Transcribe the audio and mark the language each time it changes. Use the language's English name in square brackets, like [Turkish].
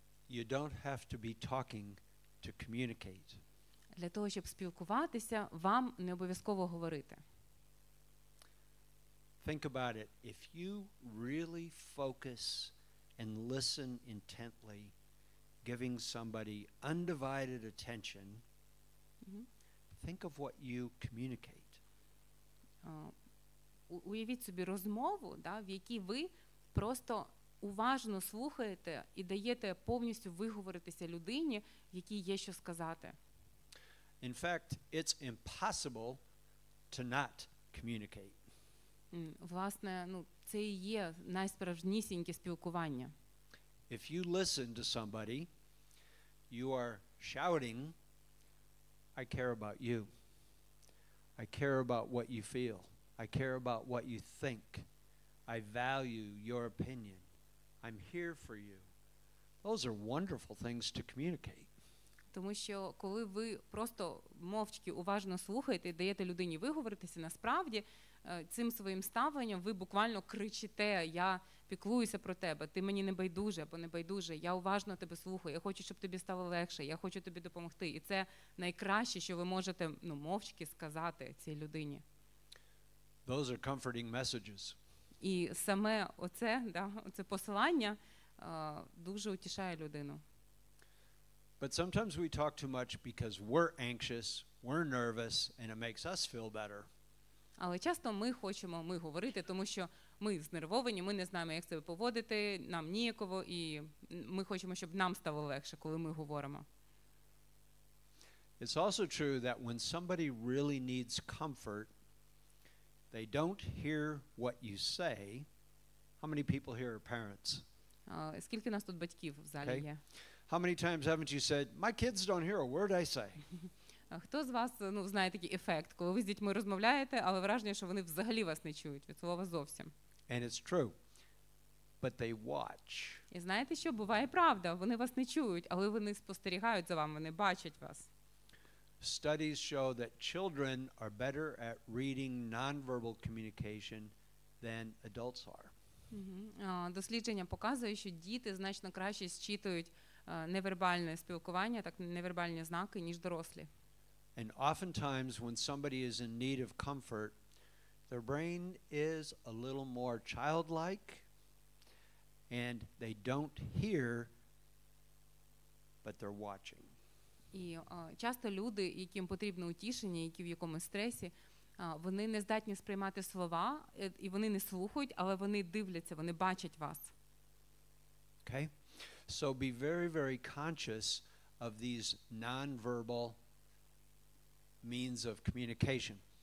[English] You don't have to be talking to communicate. [Ukrainian] Для того, щоб спілкуватися, вам не обов'язково говорити. [English] Think about it. If you really focus and listen intently, giving somebody undivided attention, think of what you communicate. [Ukrainian] Уявіть собі розмову, да, в якій ви просто уважно слухаєте і даєте повністю виговоритися людині, якій є що сказати. [English] In fact, it's impossible to not communicate. [Ukrainian] Власне, ну, це і є найсправжнісіньке спілкування. [English] If you listen to somebody, you are shouting, I care about you. I care about what you feel. I care about what you think. I value your opinion. I'm here for you. Those are wonderful things to communicate. [Ukrainian] Тому що коли ви просто мовчки уважно слухаєте, даєте людині виговоритися, насправді цим своїм ставленням ви буквально кричите: я піклуюся про тебе, ти мені не байдуже або не байдуже, я уважно тебе слухаю, я хочу, щоб тобі стало легше, я хочу тобі допомогти. І це найкраще, що ви можете, ну, мовчки сказати цій людині. [English] Those are comforting messages. [Ukrainian] І саме оце, да, оце посилання дуже утішає людину. [English] But sometimes we talk too much because we're anxious, we're nervous, and it makes us feel better. [Ukrainian] Але часто ми хочемо ми говорити, тому що ми знервовані, ми не знаємо, як себе поводити, нам ніяково, і ми хочемо, щоб нам стало легше, коли ми говоримо. [English] It's also true that when somebody really needs comfort, they don't hear what you say. How many people here are parents? [Ukrainian] Скільки нас тут батьків в залі є? [English] How many times haven't you said, my kids don't hear a word I say? [Ukrainian] Хто з вас, ну, знає такий ефект, коли ви з дітьми розмовляєте, але враження, що вони взагалі вас не чують, від слова зовсім. [English] And it's true. But they watch. [Ukrainian] І знаєте, що буває правда, вони вас не чують, але вони спостерігають за вами, вони бачать вас. [English] Studies show that children are better at reading nonverbal communication than adults are. [Ukrainian] Дослідження показують, що діти значно краще зчитують невербальне спілкування, так, невербальні знаки, ніж дорослі. [English] And oftentimes when somebody is in need of comfort, their brain is a little more childlike and they don't hear, but they're watching. [Ukrainian] І часто люди, яким потрібно утішення, які в якомусь стресі, вони не здатні сприймати слова, і вони не слухають, але вони дивляться, вони бачать вас. [English] Okay? So be very, very conscious of these non-verbal means of communication.